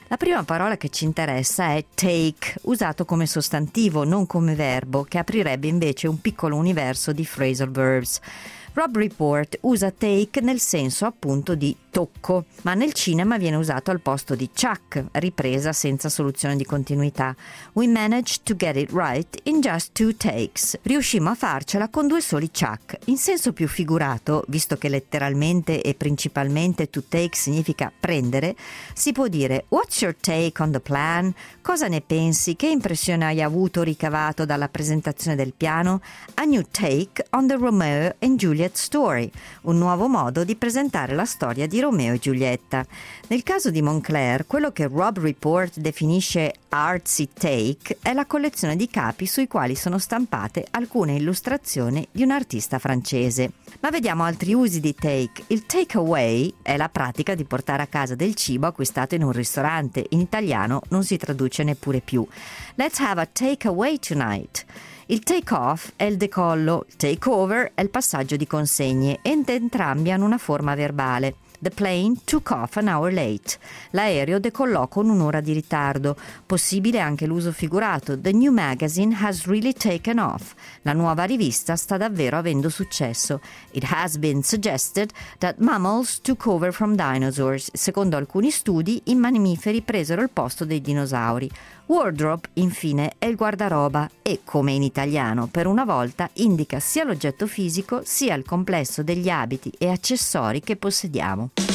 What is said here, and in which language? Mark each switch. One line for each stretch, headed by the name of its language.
Italian: La prima parola che ci interessa è take, usato come sostantivo, non come verbo, che aprirebbe invece un piccolo universo di phrasal verbs. Rob Report usa take nel senso appunto di tocco, ma nel cinema viene usato al posto di chuck, ripresa senza soluzione di continuità.
English: We managed to get it right in just 2 takes.
Italian: Riuscimmo a farcela con 2 soli chuck. In senso più figurato, visto che letteralmente e principalmente to take significa prendere, si può dire
English: what's your take on the plan?
Italian: Cosa ne pensi? Che impressione hai avuto ricavato dalla presentazione del piano?
English: A new take on the Romeo and Juliet story,
Italian: un nuovo modo di presentare la storia di Romeo e Giulietta. Nel caso di Moncler, quello che Rob Report definisce artsy take è la collezione di capi sui quali sono stampate alcune illustrazioni di un artista francese. Ma vediamo altri usi di take. Il takeaway è la pratica di portare a casa del cibo acquistato in un ristorante. In italiano non si traduce neppure più.
English: Let's have a takeaway tonight.
Italian: Il take-off è il decollo, il take-over è il passaggio di consegne, ed entrambi hanno una forma verbale.
English: The plane took off an hour late.
Italian: L'aereo decollò con 1 ora di ritardo. Possibile anche l'uso figurato.
English: The new magazine has really taken off.
Italian: La nuova rivista sta davvero avendo successo.
English: It has been suggested that mammals took over from dinosaurs.
Italian: Secondo alcuni studi, i mammiferi presero il posto dei dinosauri. Wardrobe, infine, è il guardaroba e, come in italiano, per una volta indica sia l'oggetto fisico sia il complesso degli abiti e accessori che possediamo.